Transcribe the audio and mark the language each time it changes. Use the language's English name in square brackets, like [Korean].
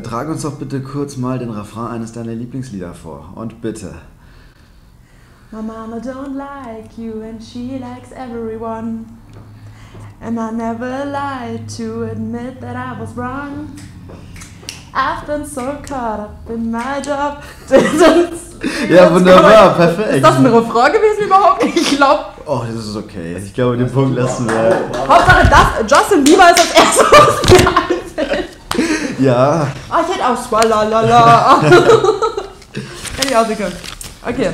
[German] Trag uns doch bitte kurz mal den Refrain eines deiner Lieblingslieder vor. Und bitte. [English] My mama don't like you and she likes everyone. And I never lied to admit that I was wrong. I've been so caught up in my job. [German] Ja, wunderbar, perfekt. Ist das ein Refrain gewesen überhaupt? Ich glaube. Oh, das ist okay. Ich glaube, den Punkt lassen wir. Hauptsache, das, Justin Bieber ist das erste, was mir einfällt. Ja. Oh, ich hätte auch Swalalala. Hätte ich auch sicher. Okay,